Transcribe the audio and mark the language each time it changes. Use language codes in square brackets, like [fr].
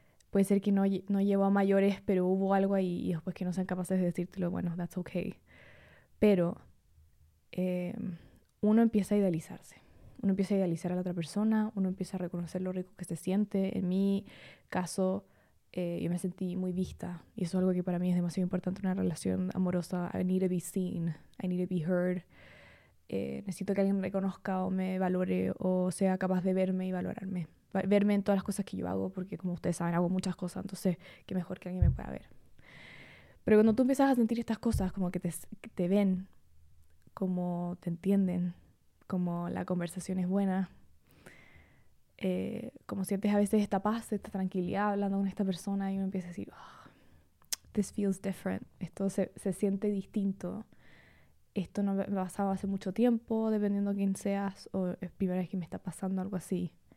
[es] Puede ser que no llevó a mayores, pero hubo algo ahí y después que no sean capaces de decírtelo, bueno, [en] that's okay. [es] Pero uno empieza a idealizarse. Uno empieza a idealizar a la otra persona, uno empieza a reconocer lo rico que se siente. En mi caso, yo me sentí muy vista. Y eso es algo que para mí es demasiado importante, una relación amorosa. [en] I need to be seen, I need to be heard. [es] Necesito que alguien me reconozca o me valore o sea capaz de verme y valorarme. Verme en todas las cosas que yo hago, porque como ustedes saben, hago muchas cosas, entonces qué mejor que alguien me pueda ver. Pero cuando tú empiezas a sentir estas cosas, como que te ven, como te entienden, como la conversación es buena, como sientes a veces esta paz, esta tranquilidad hablando con esta persona y uno empieza a decir, [en] oh, this feels different, [es] esto se siente distinto, esto no me ha pasado hace mucho tiempo, dependiendo de quién seas, o es primera vez que me está pasando algo así.